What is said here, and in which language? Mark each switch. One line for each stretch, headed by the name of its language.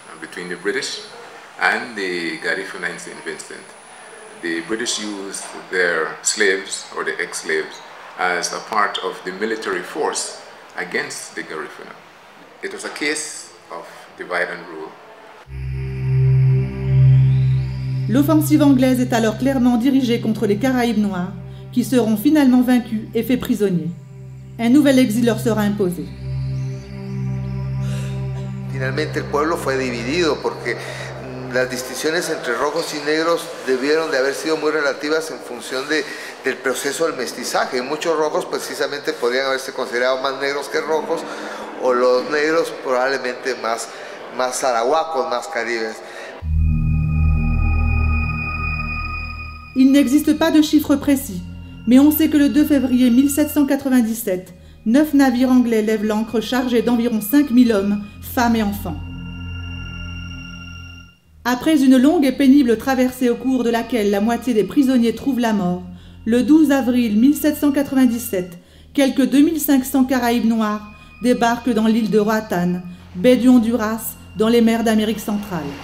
English: between the British and the Garifuna in St. Vincent. The British used their slaves or the ex-slaves as a part of the military force against the Garifuna. It was a case of divide and rule.
French: L'offensive anglaise est alors clairement dirigée contre les Caraïbes noirs, qui seront finalement vaincus et faits prisonniers. Un nouvel exil leur sera imposé.
Spanish: Finalmente, el pueblo fue dividido porque las distinciones entre rojos y negros debieron de haber sido muy relativas en función del proceso del mestizaje. Muchos rojos precisamente podrían haberse considerado más negros que rojos, o los negros probablemente más arahuacos, más caribes.
French: Il n'existe pas de chiffre précis, mais on sait que le 2 février 1797, 9 navires anglais lèvent l'ancre chargés d'environ 5000 hommes, femmes et enfants. Après une longue et pénible traversée au cours de laquelle la moitié des prisonniers trouvent la mort, le 12 avril 1797, quelques 2500 Caraïbes noirs débarquent dans l'île de Roatán, baie du Honduras, dans les mers d'Amérique centrale.